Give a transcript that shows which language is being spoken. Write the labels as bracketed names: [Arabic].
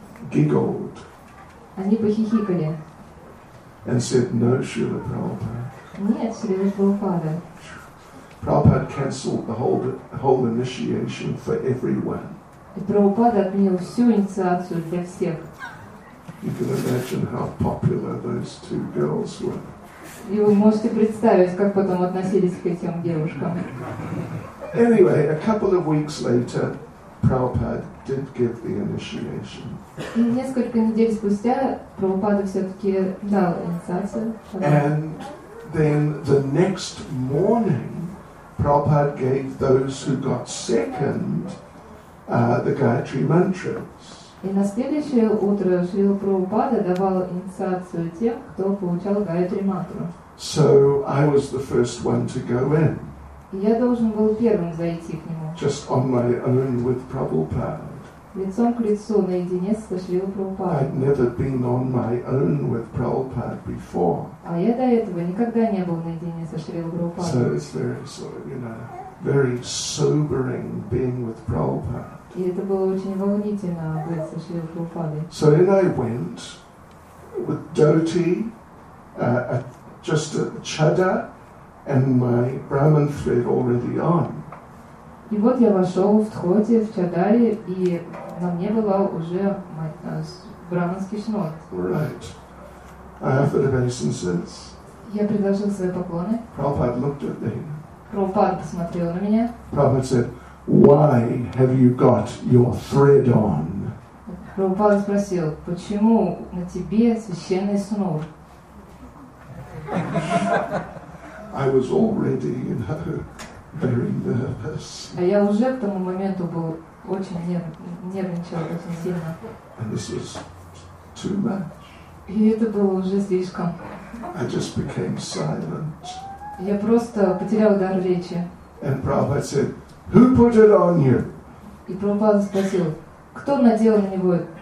[English] Giggled. [Russian] Они похихикали. [English] And said, "No, Srila Prabhupada." [Russian] Нет, Srila Prabhupada. [English] Prabhupada cancelled the whole initiation for everyone. [Russian] И Прабхупада отменил всю инициацию для всех. [English] You can imagine how popular those two girls were. [Russian] И вы можете представить, как потом относились к этим девушкам. [English] Anyway, a couple of weeks later, Prabhupada did give the initiation. [Russian] И несколько недель спустя Прабхупада все-таки дал инициацию. [English] And then the next morning, Prabhupada gave those who got second the Gayatri Mantras. [Russian] И на следующее утро Шрила Прабхупада давал инициацию тем, кто получал Гайатри Мантру. [English] So I was the first one to go in. [Russian] Я должен был первым зайти к нему. [English] Just on my own with Prabhupada. [Russian] Лицом к лицу наедине с Шрилой Прабхупадой. [English] I'd never been on my own with Prabhupada before. [Russian] А я до этого никогда не был наедине со Шрилой Прабхупадой. [English] So it's very sort of, you know, very sobering being with Prabhupada. [Russian] И это было очень волнительно быть со Шрилой Прабхупадой. [English] So then I went with Doti, just a chada, and my Brahman thread already on. [Russian] И вот я вошел в тхоте, в чадаре, и на мне была уже брахманский шнур. [English] Right. I offered obeisances. [Russian] Я предложил свои поклоны. [English] Prabhupada looked at me. [Russian] Prabhupada посмотрел на меня. [English] Prabhupada said, "Why have you got your thread on?" [Russian] Prabhupada спросил, почему на тебе священный шнур? [English] I was already, you know, very nervous. [Russian] А я уже к тому моменту был очень нервничал очень сильно. [English] And this was too much. [Russian] И это было уже слишком. [English] I just became silent. [Russian] Я просто потерял дар речи. [English] And Prabhupada said, "Who put it on you?" [Russian] И Прабхупада спросил, кто надел на него?